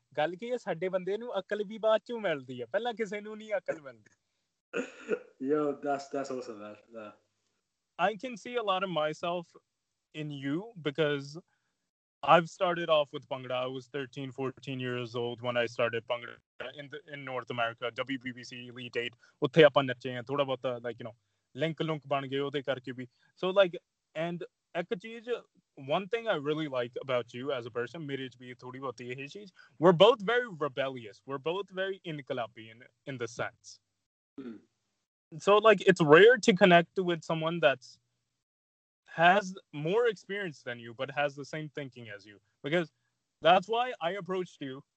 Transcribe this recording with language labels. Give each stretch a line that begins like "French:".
Punjabi: ਗੱਲ ਕੀ ਹੈ, ਸਾਡੇ ਬੰਦੇ ਨੂੰ ਅਕਲ ਵੀ ਬਾਅਦ ਚੋਂ ਮਿਲਦੀ ਹੈ, ਪਹਿਲਾਂ ਕਿਸੇ ਨੂੰ ਨਹੀਂ ਅਕਲ ਮਿਲਦੀ।
English: Yo, that's also that. I can see a lot of myself in you because I've started off with Bhangra. I was 13, 14 years old when I started Bhangra in North America, WBBC Elite 8.
Punjabi: ਉੱਥੇ ਆਪਾਂ ਨੱਚੇ ਆ ਥੋੜਾ ਬਹੁਤ,
English: like you know,
Punjabi: link ਲੁੰਕ ਬਣ ਗਏ ਉਹਦੇ ਕਰਕੇ ਵੀ।
English: so like and
Punjabi: ਇੱਕ ਚੀਜ਼,
English: one thing I really like about you as a person,
Hindi: mere bhi thodi bahut yehi cheez,
English: we're both very rebellious, we're both very inqilabi in the sense. So like, it's rare to connect with someone that's has more experience than you but has the same thinking as you, because that's why I approached you.